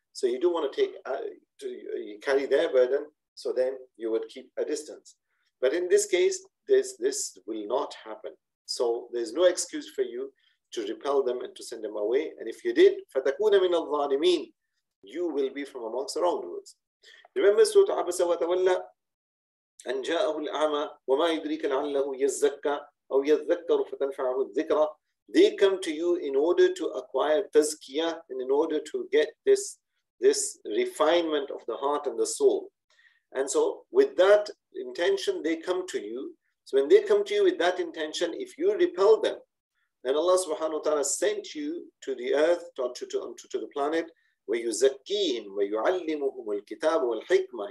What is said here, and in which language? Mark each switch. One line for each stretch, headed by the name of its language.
English: So you don't want to carry their burden. So then you would keep a distance. But in this case, this will not happen. So there's no excuse for you to repel them and to send them away. And if you did,
Arabic: فَتَكُونَ مِنَ الظَّالِمِينَ,
English: you will be from amongst the wrongdoers. Remember, Surah Abasa wa Tawalla.
Arabic: أن جاءه الأعمى وما يدريك لعله يزكى أو يذكر فتنفعه الذكرى.
English: They come to you in order to acquire tazkiyah and in order to get this refinement of the heart and the soul. And so with that intention, they come to you. So when they come to you with that intention, if you repel them, then Allah subhanahu wa ta'ala sent you to the earth, to the planet,
Arabic: وَيُزَكِّيهِمْ وَيُعَلِّمُهُمُ الْكِتَابُ وَالْحِكْمَةِ.